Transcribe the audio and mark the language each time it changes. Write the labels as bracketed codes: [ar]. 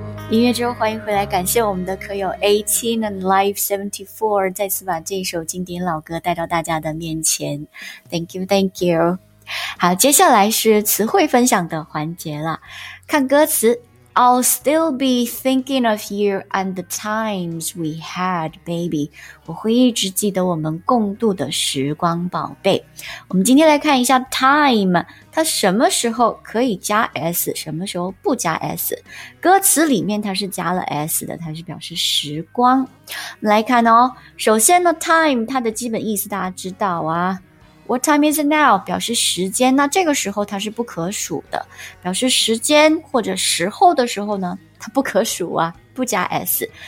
[zh] 音乐之后欢迎回来，感谢我们的可友 18 and Live 74 再次把这首经典老歌带到大家的面前。 [en] Thank you, thank you。 [zh] 好，接下来是词汇分享的环节了。看歌词， [en] I'll still be thinking of you and the times we had, baby。 [zh] 我会一直记得我们共度的时光，宝贝。我们今天来看一下 time，它什么时候可以加 s， 什么时候不加 s。歌词里面它是加了 s 的，它是表示时光。我们来看哦，首先呢 time 它的基本意思大家知道啊， [en] What time is it now [zh] 表示时间，那这个时候它是不可数的，表示时间或者时候的时候呢它不可数啊，不加 s。